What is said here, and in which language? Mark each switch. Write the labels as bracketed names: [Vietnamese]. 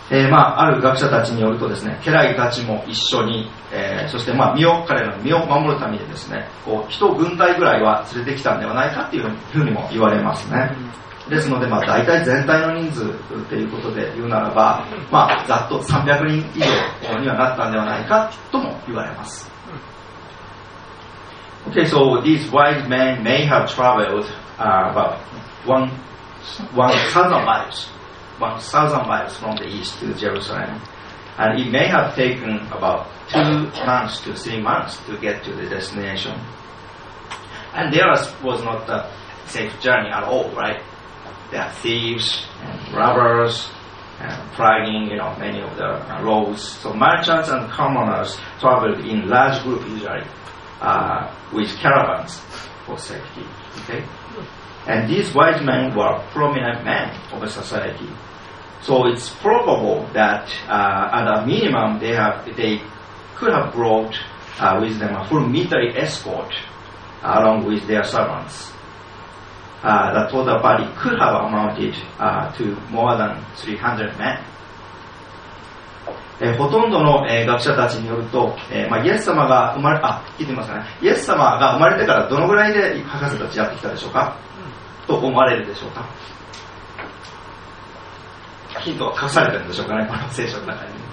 [Japanese] まあ、ある学者たちによるとですね、家来たちも一緒に、そして、まあ、彼らの身を守るためにですね、こう人軍隊ぐらいは連れてきたんではないかっていうふうにも言われますね。ですので、まあ、大体全体の人数っていうことで言うならば、まあ、ざっと300人以上にはなったんではないかとも言われます。 [English] Okay, so these wise men may have traveled about 1,000 miles 1,000 miles from the east to Jerusalem. And it may have taken about 2 months to 3 months to get to the destination. And there was not a safe journey at all, right? There are thieves and robbers and flagging, you know, many of the roads. So merchants and commoners traveled in large groups usually with caravans for safety, okay? And these wise men were prominent men of a society. So it's probable that at a minimum they could have brought with them a full military escort along with their servants. The total body could have amounted to more than 300 men. [Japanese] ほとんどの学者たちによると、まあ、イエス様が生まれてからどのぐらいで博士たちやってきたでしょうかと思われるでしょうか。ヒントは隠されてるんでしょうかね、この聖書の中に。